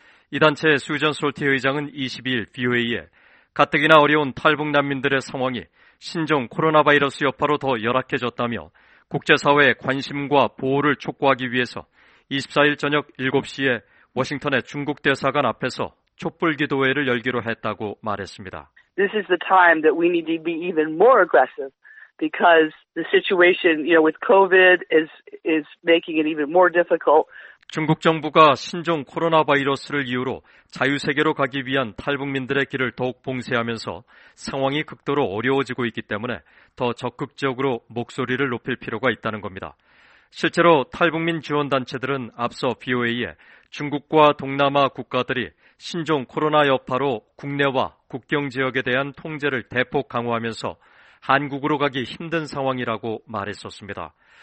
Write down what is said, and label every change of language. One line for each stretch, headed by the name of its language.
Korean: 이 단체의 수전 솔티 의장은 22일 VOA에 가뜩이나 어려운 탈북 난민들의 상황이 신종 코로나 바이러스 여파로 더 열악해졌다며 국제사회의 관심과 보호를 촉구하기 위해서 24일 저녁 7시에 워싱턴의 중국 대사관 앞에서 촛불 기도회를 열기로 했다고 말했습니다.
English: This is the time that we need to be even more aggressive because the situation, you know, with COVID is making it even more difficult.
Korean: 중국 정부가 신종 코로나 바이러스를 이유로 자유세계로 가기 위한 탈북민들의 길을 더욱 봉쇄하면서 상황이 극도로 어려워지고 있기 때문에 더 적극적으로 목소리를 높일 필요가 있다는 겁니다. 실제로 탈북민 지원단체들은 앞서 BOA에 중국과 동남아 국가들이 신종 코로나 여파로 국내와 국경 지역에 대한 통제를 대폭 강화하면서 한국으로 가기 힘든 상황이라고 말했었습니다.